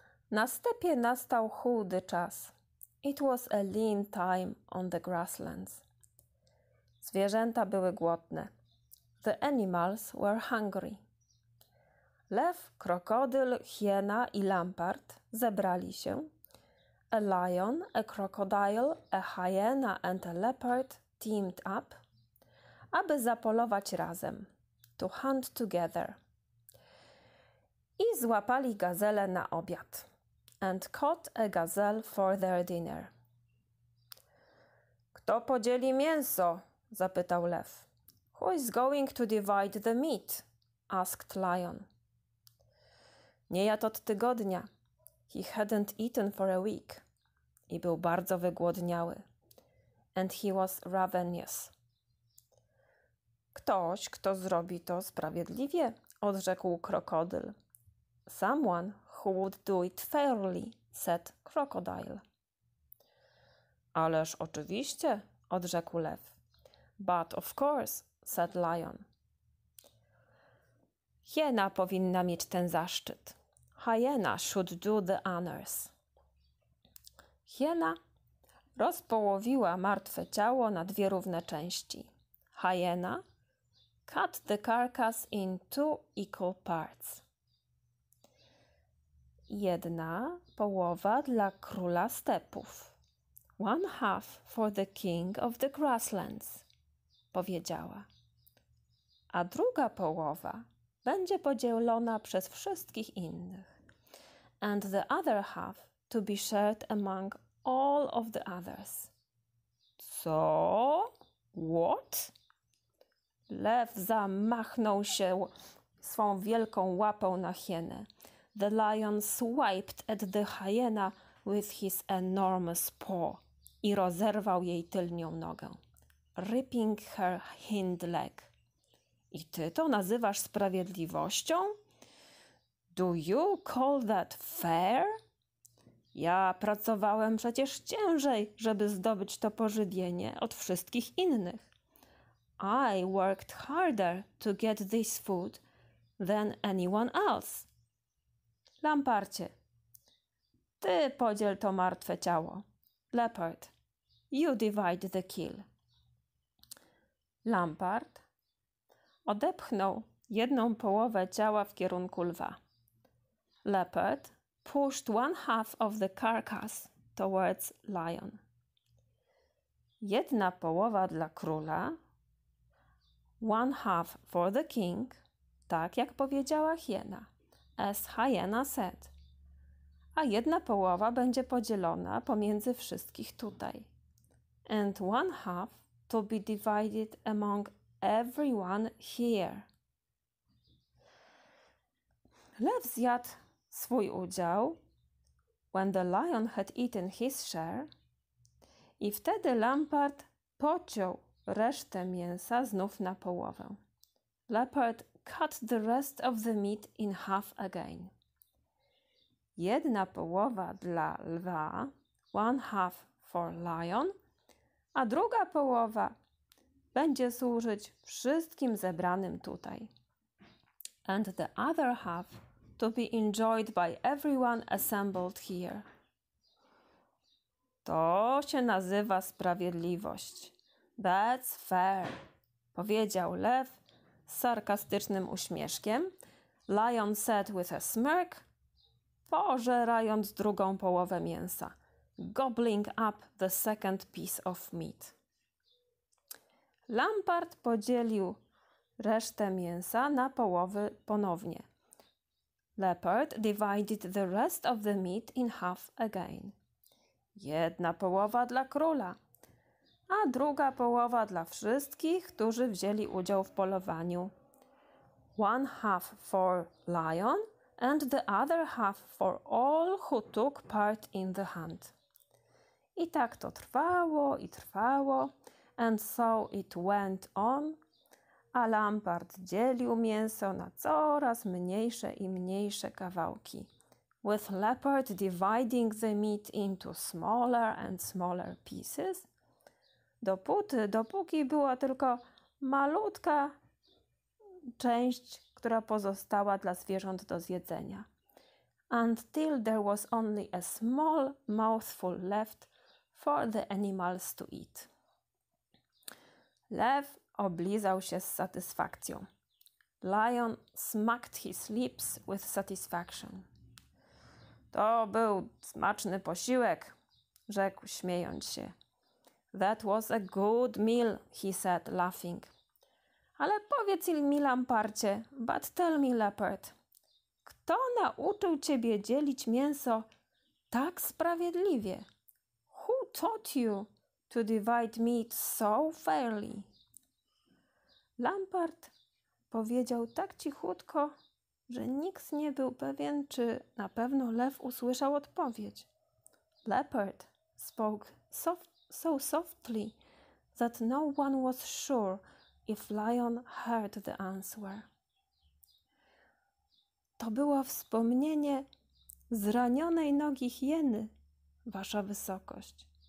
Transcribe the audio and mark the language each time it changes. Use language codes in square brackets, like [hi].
[pl] Na stepie nastał chudy czas. [en] It was a lean time on the grasslands. [pl] Zwierzęta były głodne. [en] The animals were hungry. [pl] Lew, krokodyl, hiena i lampart zebrali się. [en] A lion, a crocodile, a hyena and a leopard teamed up, [pl] aby zapolować razem. [en] To hunt together. [pl] I złapali gazelę na obiad. [en] And caught a gazelle for their dinner. [pl] Kto podzieli mięso? Zapytał lew. [en] Who is going to divide the meat? Asked lion. [pl] Nie jadł od tygodnia. [en] He hadn't eaten for a week. [pl] I był bardzo wygłodniały. [en] And he was ravenous. [pl] Ktoś, kto zrobi to sprawiedliwie, odrzekł krokodyl. [en] Someone who would do it fairly, said crocodile. [pl] Ależ oczywiście, odrzekł lew. [en] But of course, said lion. [pl] Hiena powinna mieć ten zaszczyt. [en] Hyena should do the honors. [pl] Hiena rozpołowiła martwe ciało na dwie równe części. [en] Hyena cut the carcass in two equal parts. [pl] Jedna połowa dla króla stepów. [en] One half for the king of the grasslands, [pl] powiedziała. A druga połowa będzie podzielona przez wszystkich innych. [en] And the other half to be shared among all of the others. [pl] Co? [en] What? [pl] Lew zamachnął się swą wielką łapą na hienę. [en] The lion swiped at the hyena with his enormous paw [pl] i rozerwał jej tylnią nogę. [en] Ripping her hind leg. [pl] I ty to nazywasz sprawiedliwością? [en] Do you call that fair? [pl] Ja pracowałem przecież ciężej, żeby zdobyć to pożywienie od wszystkich innych. [en] I worked harder to get this food than anyone else. [pl] Lamparcie, ty podziel to martwe ciało. [en] Leopard, you divide the kill. [pl] Lampart odepchnął jedną połowę ciała w kierunku lwa. [en] Leopard pushed one half of the carcass towards lion. [pl] Jedna połowa dla króla, [en] one half for the king, [pl] tak jak powiedziała hiena, [en] as hyena said. [pl] A jedna połowa będzie podzielona pomiędzy wszystkich tutaj. [en] And one half to be divided among everyone here. [pl] Lew zjadł swój udział, [en] when the lion had eaten his share, [pl] i wtedy Lampart pociął resztę mięsa znów na połowę. [en] Leopard cut the rest of the meat in half again. [pl] Jedna połowa dla lwa, [en] one half for lion, [pl] a druga połowa będzie służyć wszystkim zebranym tutaj. [en] And the other half to be enjoyed by everyone assembled here. [pl] To się nazywa sprawiedliwość. [en] That's fair, [pl] powiedział lew z sarkastycznym uśmieszkiem. [en] Lion said with a smirk, [pl] pożerając drugą połowę mięsa. [en] Gobbling up the second piece of meat. [pl] Lampart podzielił resztę mięsa na połowy ponownie. [en] Leopard divided the rest of the meat in half again. [pl] Jedna połowa dla króla, a druga połowa dla wszystkich, którzy wzięli udział w polowaniu. [en] One half for lion and the other half for all who took part in the hunt. [pl] I tak to trwało i trwało, [en] and so it went on. [pl] A Lampart dzielił mięso na coraz mniejsze i mniejsze kawałki. [en] with leopard dividing the meat into smaller and smaller pieces, [pl] dopóki była tylko malutka część, która pozostała dla zwierząt do zjedzenia. [en] Until there was only a small mouthful left for the animals to eat. [pl] Lew oblizał się z satysfakcją. [en] Lion smacked his lips with satisfaction. [pl] To był smaczny posiłek, rzekł śmiejąc się. [en] That was a good meal, he said, laughing. [pl] Ale powiedz mi, lamparcie, [en] but tell me, leopard, [pl] kto nauczył ciebie dzielić mięso tak sprawiedliwie? [en] Who taught you to divide meat so fairly? [pl] Lampart powiedział tak cichutko, że nikt nie był pewien, czy na pewno lew usłyszał odpowiedź. [en] Leopard spoke so softly that no one was sure if lion heard the answer. [pl] To było wspomnienie zranionej nogi hieny, wasza wysokość.